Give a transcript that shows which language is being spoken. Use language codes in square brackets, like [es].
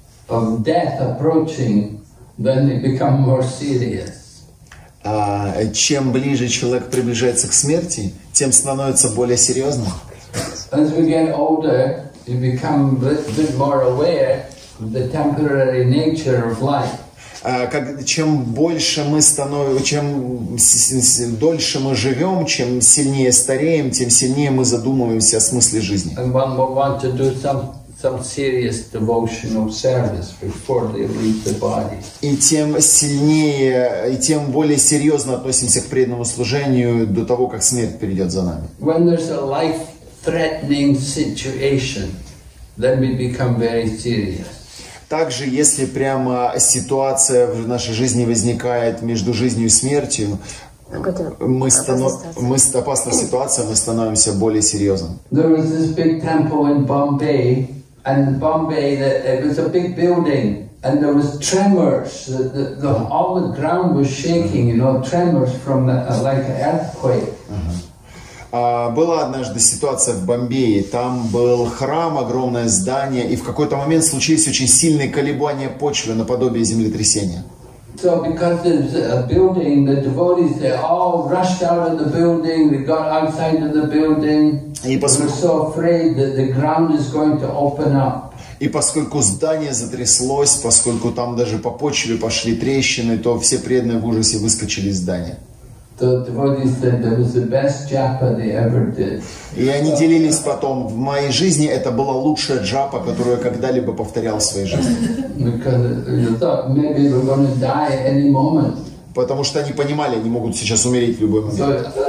[en] of death approaching, then it becomes more serious. [ru] Чем ближе человек приближается к смерти, тем становится более серьезным. [en] As we get older, we become a bit more aware of the temporary nature of life. [ru] Чем больше мы становимся, чем дольше мы живем, чем сильнее стареем, тем сильнее мы задумываемся о смысле жизни. [en] And one will want to do some serious devotional service before they leave the body. [ru] И тем сильнее, и тем более серьезно относимся к преданному служению до того, как смерть перейдет за нами. [en] When there's a life-threatening situation, then we become very serious. [ru] Также, если прямо ситуация в нашей жизни возникает между жизнью и смертью, опасная ситуация, мы становимся более серьезным. [en] There was this big temple in Bombay, and in Bombay it was a big building, and there was tremors, all the ground was shaking, tremors from like an earthquake. [ru] Была однажды ситуация в Бомбее. Там был храм, огромное здание, и в какой-то момент случились очень сильные колебания почвы наподобие землетрясения. [en] So because of the building, the devotees, they all rushed out of the building, they got outside of the building. They were so afraid that the ground is going to open up. [ru] И поскольку здание затряслось, поскольку там даже по почве пошли трещины, то все преданные в ужасе выскочили из здания. [en] So the devotees said that was the best japa they ever did. [ru] И они делились потом: в моей жизни это была лучшая джапа, которую я когда-либо повторял в своей жизни. [en] Because they thought maybe we're going to die any moment. [ru] Потому что они понимали, они могут сейчас умереть в любой момент.